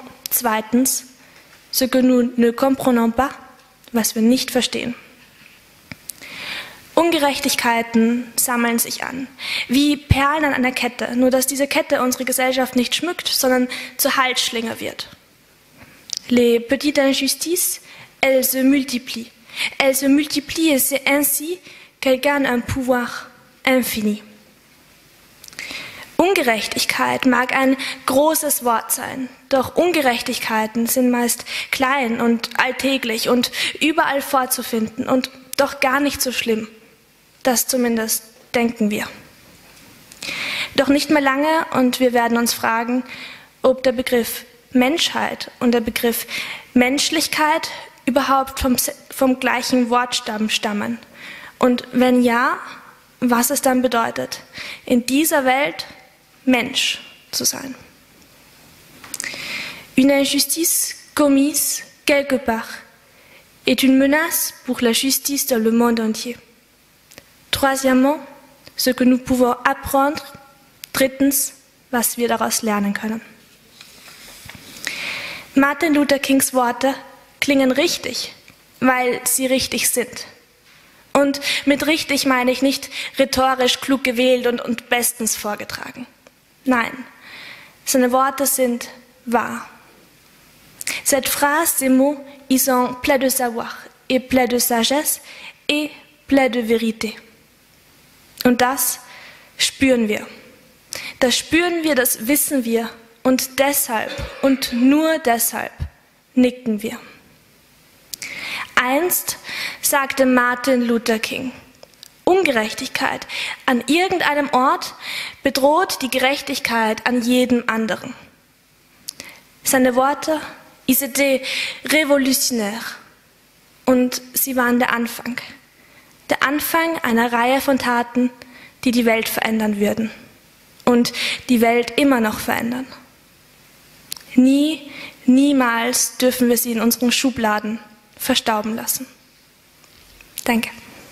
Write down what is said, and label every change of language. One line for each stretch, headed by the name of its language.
German: Zweitens,
French: ce que nous ne comprenons pas,
German: was wir nicht verstehen. Ungerechtigkeiten sammeln sich an, wie Perlen an einer Kette, nur dass diese Kette unsere Gesellschaft nicht schmückt, sondern zur Halsschlinge wird.
French: Les petites injustices, elles se multiplient. Elles se multiplient et c'est ainsi qu'elles gagnent un pouvoir infini.
German: Ungerechtigkeit mag ein großes Wort sein, doch Ungerechtigkeiten sind meist klein und alltäglich und überall vorzufinden und doch gar nicht so schlimm. Das zumindest denken wir. Doch nicht mehr lange und wir werden uns fragen, ob der Begriff Menschheit und der Begriff Menschlichkeit überhaupt vom gleichen Wortstamm stammen. Und wenn ja, was es dann bedeutet, in dieser Welt Mensch zu sein.
French: Une injustice commise quelque part est une menace pour la justice dans le monde entier. Troisièmement, ce que nous pouvons apprendre.
German: Drittens, was wir daraus lernen können. Martin Luther Kings Worte klingen richtig, weil sie richtig sind. Und mit richtig meine ich nicht rhetorisch klug gewählt und bestens vorgetragen. Nein, seine Worte sind wahr.
French: Cette phrase, ces mots, ils sont pleins de savoir et pleins de sagesse et pleins de vérité.
German: Und das spüren wir. Das spüren wir, das wissen wir und deshalb und nur deshalb nicken wir. Einst sagte Martin Luther King, Ungerechtigkeit an irgendeinem Ort bedroht die Gerechtigkeit an jedem anderen. Seine Worte,
French: ils étaient révolutionnaires.
German: Und sie waren der Anfang. Der Anfang einer Reihe von Taten, die die Welt verändern würden. Und die Welt immer noch verändern. Nie, niemals dürfen wir sie in unseren Schubladen verstauben lassen. Danke.